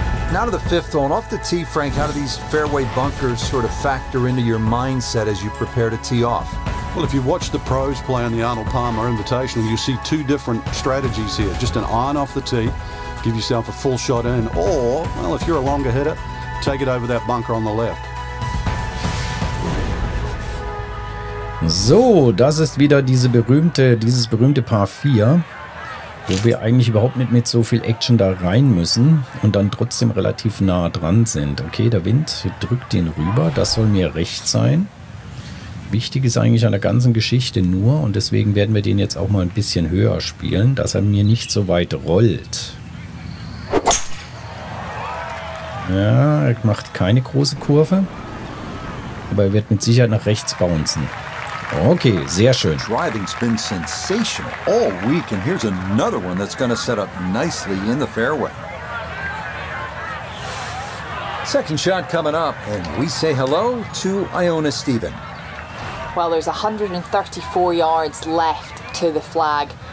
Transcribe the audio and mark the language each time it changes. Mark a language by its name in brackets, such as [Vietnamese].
[English] Now to the fifth hole. And off the tee, Frank, how do these fairway bunkers sort of factor into your mindset as you prepare to tee off? Well, if you watch the pros play on the Arnold Palmer Invitational, you see two different strategies here. Just an iron off the tee, give yourself a full shot in. Or, well, if you're a longer hitter, take it over that bunker on the left. [German] So, das ist wieder dieses berühmte Par 4, wo wir eigentlich überhaupt nicht mit so viel Action da rein müssen und dann trotzdem relativ nah dran sind. Okay, der Wind drückt den rüber, das soll mir recht sein. Wichtig ist eigentlich an der ganzen Geschichte nur, und deswegen werden wir den jetzt auch mal ein bisschen höher spielen, dass er mir nicht so weit rollt. Ja, er macht keine große Kurve, aber er wird mit Sicherheit nach rechts bouncen. Okay, sehr schön. [English] Driving's been sensational all week, and here's another one that's going to set up nicely in the fairway. Second shot coming up, and we say hello to Iona Stephen. Well, there's 134 yards left to the flag.